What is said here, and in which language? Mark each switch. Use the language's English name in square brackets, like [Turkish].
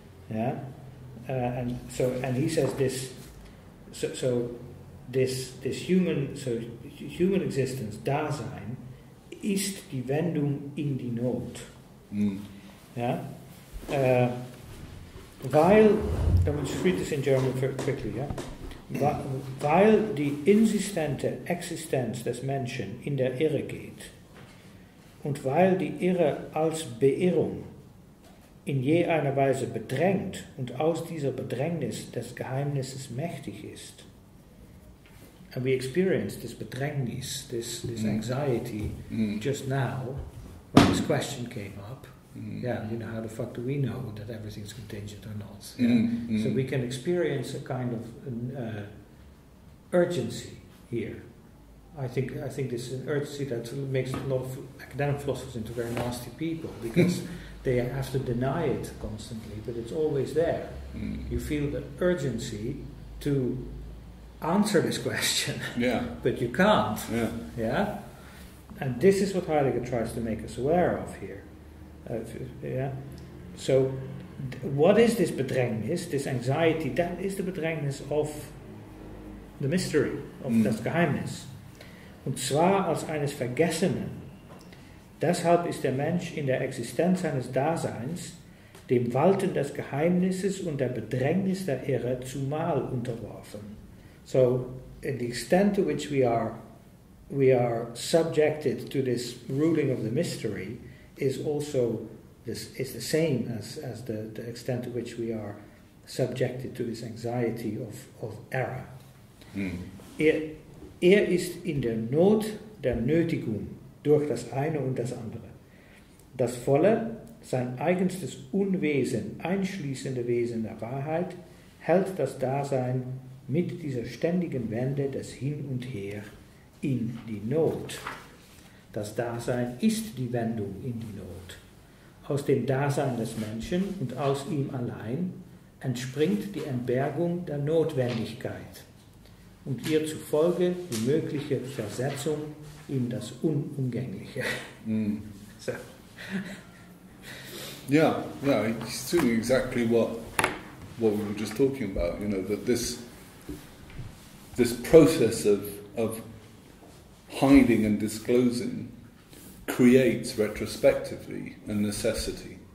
[English] Yeah. And he says this. So this human existence, Dasein, [German] ist die Wendung in die Not. Mm. Yeah. [English] Weil, let me just read this in German quickly, yeah? [German] Weil die insistente Existenz des Menschen in der Irre geht und weil die Irre als Beirrung in je einer Weise bedrängt und aus dieser Bedrängnis des Geheimnisses mächtig ist. [English] And we experience this Bedrängnis, this anxiety just now when this question came up. Mm. Yeah, you know, how the fuck do we know that everything's contingent or not? Yeah. Mm, mm. So we can experience a kind of urgency here. I think this is an urgency that makes a lot of academic philosophers into very nasty people because they have to deny it constantly, but it's always there. Mm. You feel the urgency to answer this question, yeah. But you can't. Yeah. Yeah. And this is what Heidegger tries to make us aware of here. What is this bedrängnis, this anxiety? That is the bedrängnis of the mystery, of das Geheimnis. [German] Und zwar als eines Vergessenen. Deshalb ist der Mensch in der Existenz seines Daseins dem Walten des Geheimnisses und der Bedrängnis der Irre zumal unterworfen. [English] So, in the extent to which we are subjected to this ruling of the mystery, is also this is the same as the extent to which we are subjected to this anxiety of error. Hmm. [German] Ist in der Not der Nötigung durch das eine und das andere. Das volle, sein eigenstes Unwesen einschließende Wesen der Wahrheit hält das Dasein mit dieser ständigen Wende des Hin und Her in die Not. Das Dasein ist die Wendung in die Not. Aus dem Dasein des Menschen und aus ihm allein entspringt die Entbergung der Notwendigkeit und ihr zufolge die mögliche Versetzung in das Unumgängliche. Mm. [English] So. Yeah, no, it's doing exactly what we were just talking about, you know, that this process of hiding and disclosing creates retrospectively a necessity.